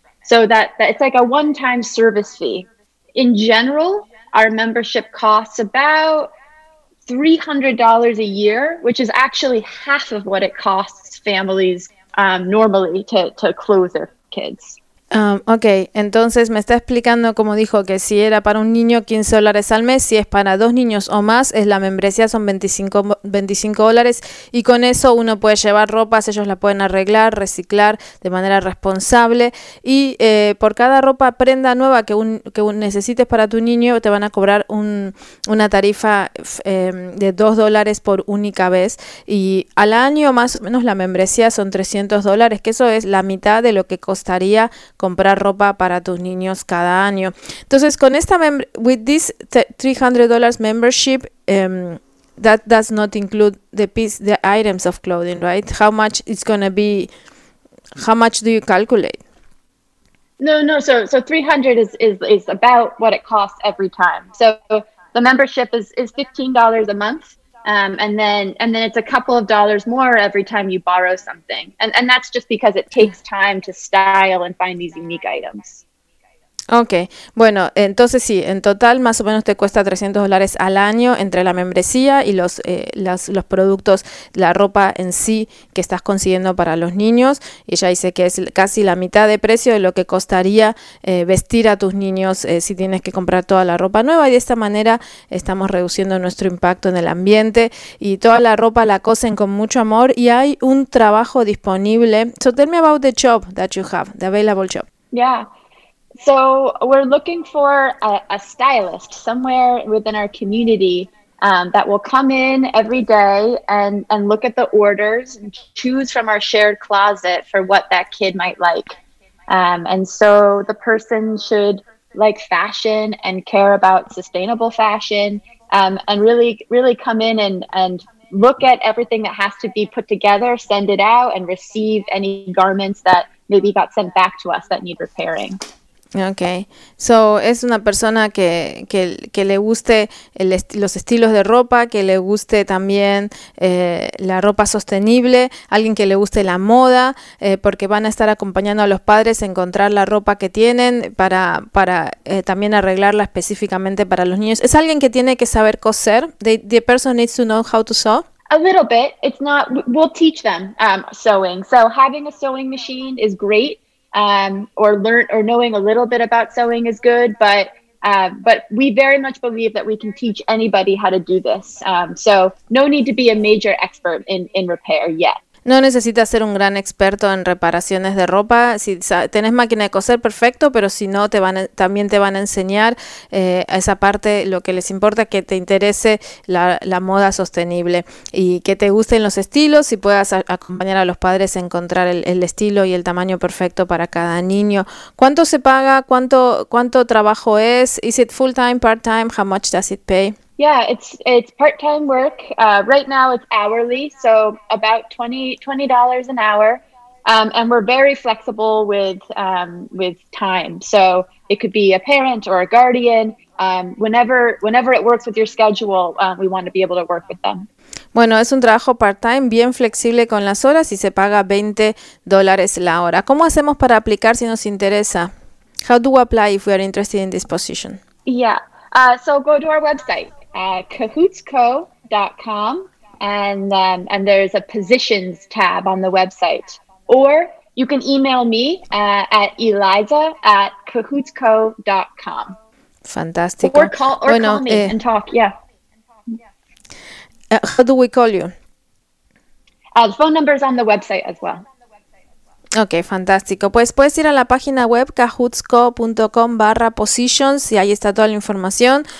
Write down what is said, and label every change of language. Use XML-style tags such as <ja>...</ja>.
<en>So that it's like a one-time service fee. In general, our membership costs about $300 a year, which is actually half of what it costs families normally to clothe their kids.</en> <es>Ok, entonces me está explicando, como dijo, que si era para un niño $15 al mes, si es para dos niños o más, es la membresía, son $25, y con eso uno puede llevar ropas, ellos la pueden arreglar, reciclar de manera responsable, y por cada ropa prenda nueva que necesites para tu niño, te van a cobrar una tarifa de $2 por única vez, y al año más o menos la membresía son $300, que eso es la mitad de lo que costaría comprar ropa para tus niños cada año. Entonces, con esta</es> <en>with this $300 membership, that does not include the items of clothing, right? How much it's going to be? How much do you calculate? No. So $300 is about what it costs every time. So the membership is $15 a month, and then it's a couple of dollars more every time you borrow something. And that's just because it takes time to style and find these unique items.</en> <es>Okay, bueno, entonces sí, en total más o menos te cuesta $300 al año entre la membresía y los productos, la ropa en sí que estás consiguiendo para los niños. Y ella dice que es casi la mitad de precio de lo que costaría vestir a tus niños si tienes que comprar toda la ropa nueva. Y de esta manera estamos reduciendo nuestro impacto en el ambiente y toda la ropa la cosen con mucho amor y hay un trabajo disponible.</es> <en>So tell me about the job that you have, the available job. Yeah. So we're looking for a stylist somewhere within our community that will come in every day and look at the orders and choose from our shared closet for what that kid might like. And so the person should like fashion and care about sustainable fashion and really, really come in and look at everything that has to be put together, send it out and receive any garments that maybe got sent back to us that need repairing.</en> <es>Okay, so es una persona que le guste los estilos de ropa, que le guste también la ropa sostenible, alguien que le guste la moda, porque van a estar acompañando a los padres a encontrar la ropa que tienen para también arreglarla específicamente para los niños. Es alguien que tiene que saber coser.</es> <en>The person needs to know how to sew. A little bit. It's not. We'll teach them sewing. So having a sewing machine is great. Or knowing a little bit about sewing is good, but But we very much believe that we can teach anybody how to do this. So no need to be a major expert in repair yet.</en> <es>No necesitas ser un gran experto en reparaciones de ropa. Si tenés máquina de coser, perfecto, pero si no, también te van a enseñar a esa parte, lo que les importa, que te interese la moda sostenible y que te gusten los estilos y puedas acompañar a los padres a encontrar el estilo y el tamaño perfecto para cada niño. ¿Cuánto se paga? ¿Cuánto trabajo es?</es> <en>¿Is it full time, part time? How much does it pay? Yeah, it's part-time work. Right now it's hourly, so about $20 an hour. And we're very flexible with time. So it could be a parent or a guardian. Whenever it works with your schedule, we want to be able to work with them.</en> <es>Bueno, es un trabajo part-time, bien flexible con las horas y se paga $20 la hora. ¿Cómo hacemos para aplicar si nos interesa?</es> <en>How do we apply if we are interested in this position? Yeah, so go to our website. KahootsCo.com and there's a positions tab on the website, or you can email me at Eliza@KahootsCo.com.</en> <es>Fantástico.</es> <en>Or call me and talk. Yeah. How do we call you? The phone number is on the website as well.</en> <es>Ok, fantástico. Pues puedes ir a la página web kahootsco.com/positions y ahí está toda la información.</es>